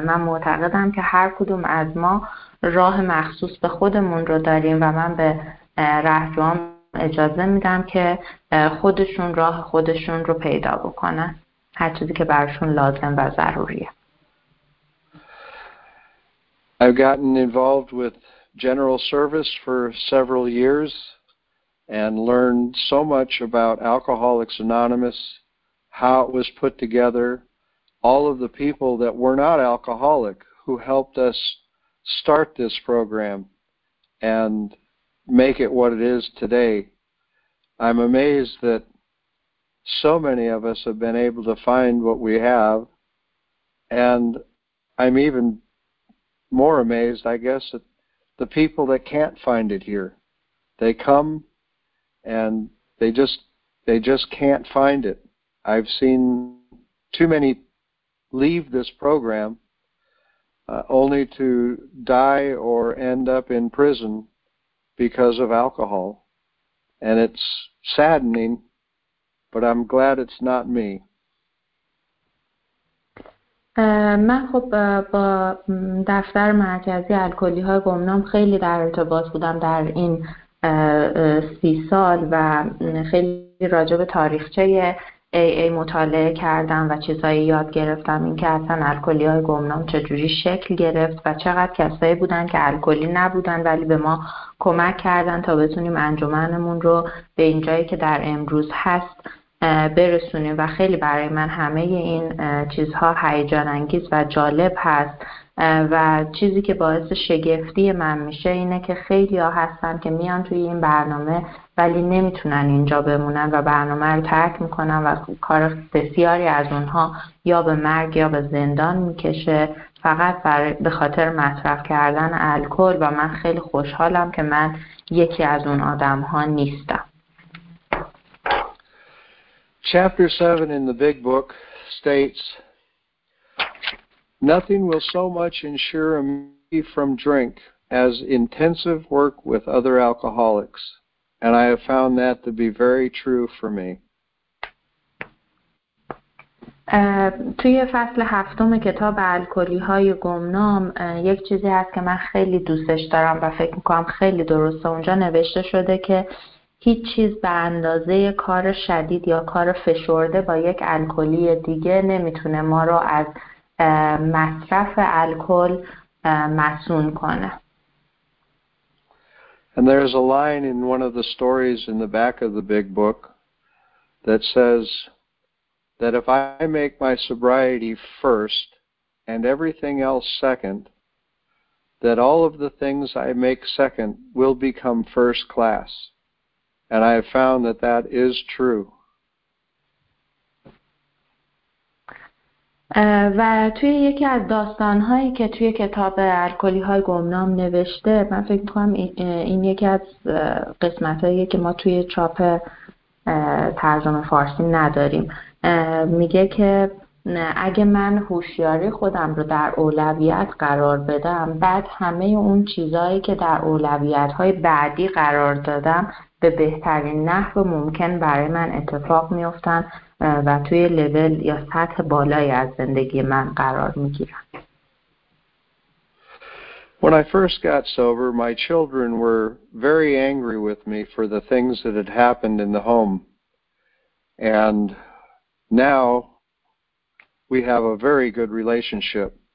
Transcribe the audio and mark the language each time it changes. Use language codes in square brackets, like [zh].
[fa] من معتقدم که هر کدوم از ما راه مخصوص به خودمون رو داریم و من به رهجوام اجازه میدم که خودشون راه خودشون رو پیدا بکنن، هر چیزی که براشون لازم و ضروریه. [en] I've gotten involved with General Service for several years and learned so much about Alcoholics Anonymous, how it was put together, all of the people that were not alcoholic who helped us start this program and make it what it is today. I'm amazed that so many of us have been able to find what we have, and I'm even more amazed, I guess, at the people that can't find it here. They come and they just can't find it. I've seen too many leave this program only to die or end up in prison because of alcohol. And it's saddening, but I'm glad it's not me. [fa] من خب با دفتر مرکزی الکلی‌های گمنام خیلی در ارتباط بودم در این 30 سال و خیلی راجع به تاریخچه AA مطالعه کردم و چیزایی یاد گرفتم، اینکه اصلا الکلی‌های گمنام چجوری شکل گرفت و چقدر کسایی بودن که الکلی نبودن ولی به ما کمک کردن تا بتونیم انجمنمون رو به اینجایی که در امروز هست برسونیم. و خیلی برای من همه این چیزها هیجان انگیز و جالب هست و چیزی که باعث شگفتی من میشه اینه که خیلی ها هستن که میان توی این برنامه ولی نمیتونن اینجا بمونن و برنامه رو ترک میکنن و کار بسیاری از اونها یا به مرگ یا به زندان میکشه فقط به خاطر مصرف کردن الکل. و من خیلی خوشحالم که من یکی از اون آدم ها نیستم. [en] Chapter 7 in the Big Book states, "Nothing will so much ensure immunity from drink as intensive work with other alcoholics, and I have found that to be very true for me." [fa] توی فصل هفتم کتاب الکلی‌های گمنام یک چیزی هست که من خیلی دوستش دارم و فکر می‌کنم خیلی درسته. اونجا نوشته شده که هیچ چیز به اندازه کار شدید یا کار فشرده با یک الکلی دیگه نمیتونه ما رو از مصرف الکل مصون کنه. [en] And there is a line in one of the stories in the back of the big book that says that if I make my sobriety first and everything else second, that all of the things I make second will become first class. And I have found that that is true. [fa] و توی یکی از داستانهایی که توی کتاب الکلی های گمنام نوشته، من فکر میکنم این یکی از قسمتهاییه که ما توی چاپ ترجمه فارسی نداریم. میگه که اگه من هوشیاری خودم رو در اولویت قرار بدم، بعد همه اون چیزهایی که در اولویتهای بعدی قرار دادم به بهترین نحو ممکن برای من اتفاق میفتن و توی لول یا سطح بالایی از زندگی من قرار میگیرن. [en] When I first got sober, my children were very angry with me for the things that had happened in the home. And now we have a very good relationship.